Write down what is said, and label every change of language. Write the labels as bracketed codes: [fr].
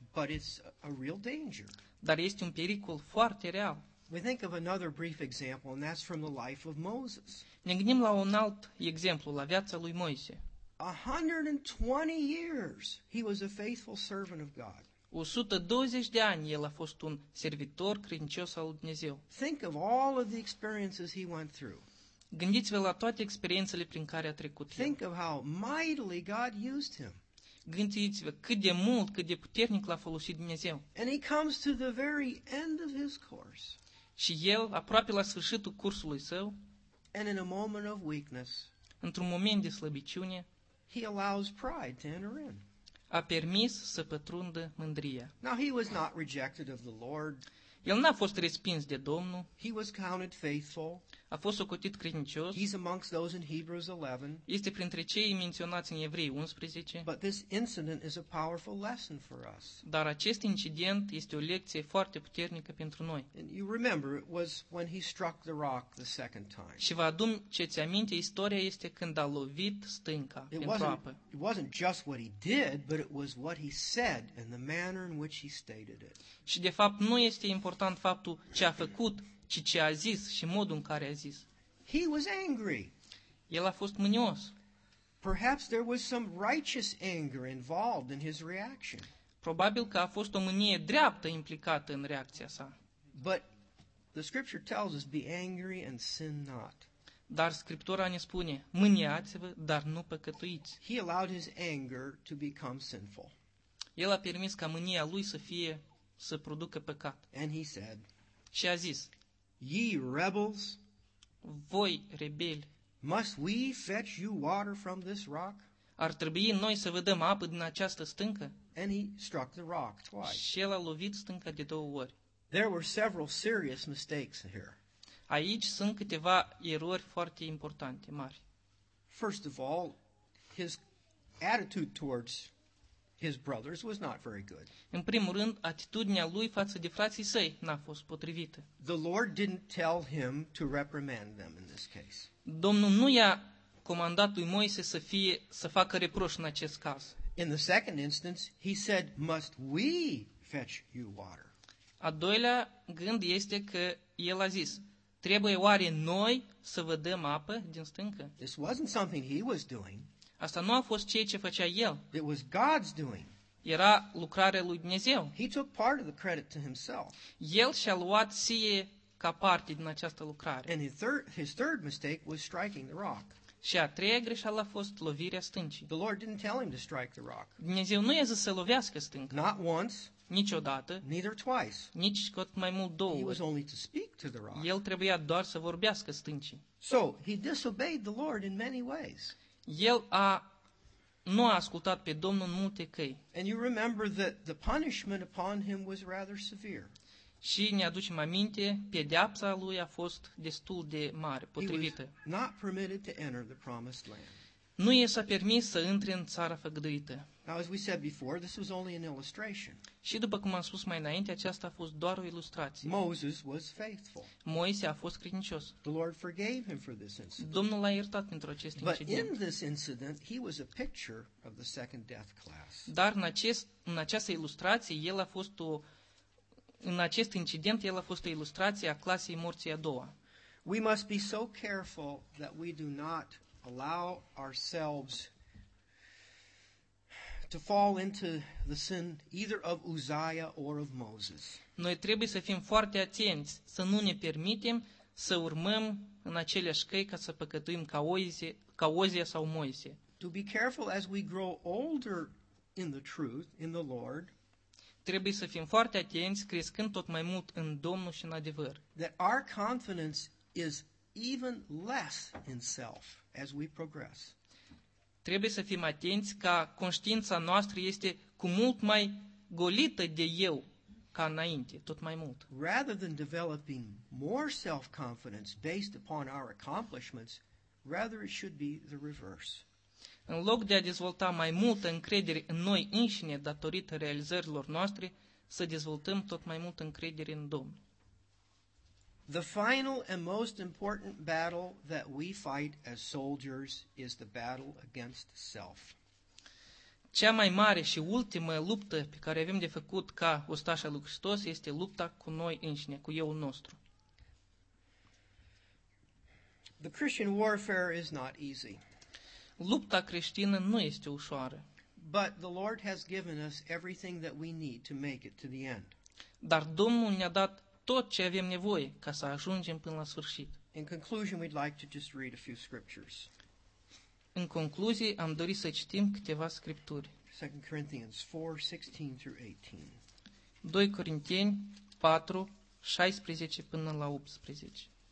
[en] But it's a real danger. [ro] Dar este un pericol foarte real. [en] We think of another brief example, and that's from the life of Moses. [ro] Ne gândim la un alt exemplu, la viața lui Moise. [en] 120 years he was a faithful servant of God. [ro] 120 de ani el a fost un servitor credincios al lui Dumnezeu. [en] Think of all of the experiences he went through. [ro] Gândiți-vă la toate experiențele prin care a trecut el. [en] Think of how mightily God used him. [ro] Gândiți-vă cât de mult, cât de puternic l-a folosit Dumnezeu. [en] And he comes to the very end of his course. [ro] Și el, aproape la sfârșitul cursului său, [en] and in a moment of weakness, [ro] într-un moment de slăbiciune, [en] he allows pride to enter in. [ro] A permis să pătrundă mândria. [en] Now he was not rejected of the Lord. [ro] El n-a fost respins de Domnul. [en] He was counted faithful. [ro] A fost ocotit credincios. [en] He's amongst those in Hebrews 11. [ro] Este printre cei menționați în Evrei 11. [en] But this incident is a powerful lesson for us. [ro] Dar acest incident este o lecție foarte puternică pentru noi. [en] And you remember it was when he struck the rock the second time. [ro] Și vă aduceți aminte, istoria este când a lovit stânca pentru apă. [en] It wasn't just what he did, but it was what he said and the manner in which he stated it. [ro] Și de fapt nu este important faptul ce a făcut, ci ce a zis și modul în care a zis. [en] He was angry. [ro] El a fost mânios. [en] Perhaps there was some righteous anger involved in his reaction. [ro] Probabil că a fost o mânie dreaptă implicată în reacția sa. [en] But the scripture tells us, be angry and sin not. [ro] Dar scriptura ne spune, mâniați-vă, dar nu păcătuiți. [en] He allowed his anger to become sinful. [ro] El a permis ca mânia lui să fie să producă păcat. [en] And he said, [ro] și a zis, [en] ye rebels, [ro] voi rebeli, [en] must we fetch you water from this rock? [ro] Ar trebui noi să vă dăm apă din această stâncă? [en] And he struck the rock twice. [ro] Și el a lovit stânca de două ori. [en] There were several serious mistakes here. [ro] Aici sunt câteva erori foarte importante, mari. [en] First of all, his attitude towards his brothers was not very good. [ro] În primul rând, atitudinea lui față de frații săi n-a fost potrivită. [en] The Lord didn't tell him to reprimand them in this case. [ro] Domnul nu i-a comandat lui Moise să facă reproș în acest caz. [en] In the second instance, he said, must we fetch you water? [ro] A doilea gând este că el a zis, trebuie oare noi să vă dăm apă din stâncă? [en] This wasn't something he was doing. [ro] Asta nu a fost ceea ce făcea el. [en] It was God's doing. [ro] Era lucrarea lui Dumnezeu. [en] He took part of the credit to himself. [ro] El și-a luat ție ca parte din această lucrare. [en] And his third mistake was striking the rock. [ro] Și a treia greșeală a fost lovirea stâncii. [en] The Lord didn't tell him to strike the rock. [ro] Dumnezeu nu i-a zis să lovească stâncă. [en] Not once. [ro] Niciodată. [en] Neither twice. [ro] Nici cât mai mult două ori. [en] He was only to speak to the rock. [ro] El trebuia doar să vorbească stâncii. [en] So, he disobeyed the Lord in many ways. [ro] El nu a ascultat pe Domnul în multe căi. [en] And you remember that the punishment upon him was rather severe. [ro] Și ne aducem aminte, pedeapsa lui a fost destul de mare, potrivită. [en] Not permitted to enter the promised land. [ro] Nu i s-a permis să intre în țara făgăduită. [en] Now, as we said before, this was only an illustration. [ro] Și după cum am spus mai înainte, aceasta a fost doar o ilustrație. [en] Moses was faithful. [ro] Moise a fost credincios. [en] The Lord forgave him for this incident. [ro] Domnul l-a iertat pentru acest incident. [en] But in this incident, he was a picture of the second death class. [ro] Dar în această ilustrație, el a fost în acest incident, el a fost o ilustrație a clasei morții a doua. [en] We must be so careful that we do not allow ourselves to fall into the sin either of Uzziah or of Moses. [ro] Noi trebuie să fim foarte atenți să nu ne permitem să urmăm în aceleași căi ca să păcătuim ca Ozia sau Moise. [en] To be careful as we grow older in the truth, in the Lord. [ro] Trebuie să fim foarte atenți crescând tot mai mult în Domnul și în adevăr. [en] That our confidence is even less in self as we progress. [ro] Trebuie să fim atenți ca conștiința noastră este cu mult mai golită de eu ca înainte, tot mai mult. [en] Rather than developing more self-confidence based upon our accomplishments, rather it should be the reverse. [ro] În loc de a dezvolta mai multă încredere în noi înșine datorită realizărilor noastre, să dezvoltăm tot mai mult încredere în Domn. [en] The final and most important battle that we fight as soldiers is the battle against self. [ro] Cea mai mare și ultimă luptă pe care avem de făcut ca ostașa lui Hristos este lupta cu noi înșine, cu eu nostru. [en] The Christian warfare is not easy. [ro] Lupta creștină nu este ușoară. [en] But the Lord has given us everything that we need to make it to the end. [ro] Dar Domnul ne-a dat tot ce avem nevoie ca să ajungem până la sfârșit. [en] In conclusion, we'd like to just read a few scriptures. [ro] În concluzie, am dorit să citim câteva scripturi. [en] 2 Corinthians 4:16 through 18. [ro] 2 Corinteni 4:16 până la 18.